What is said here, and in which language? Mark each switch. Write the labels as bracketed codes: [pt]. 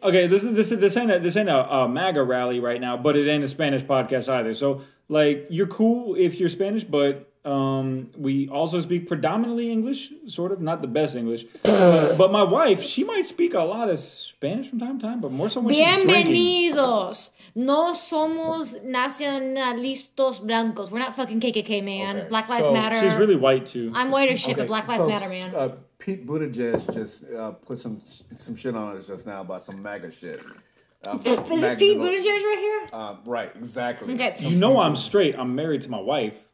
[en] Okay, this ain't a MAGA rally right now, but it ain't a Spanish podcast either. So, like, you're cool if you're Spanish, but... we also speak predominantly English, sort of, not the best English, but my wife, she might speak a lot of Spanish from time to time, but more so when [es] Bienvenidos. No somos nacionalistas blancos. [en] We're not fucking KKK, man. Okay. Black Lives Matter. She's really white, too. I'm white as shit, okay, but Black Lives Matter, man. Pete Buttigieg just put some shit on us just now about some MAGA shit. Is this Pete Buttigieg right here? Right, exactly. Okay. You know I'm straight. I'm married to my wife.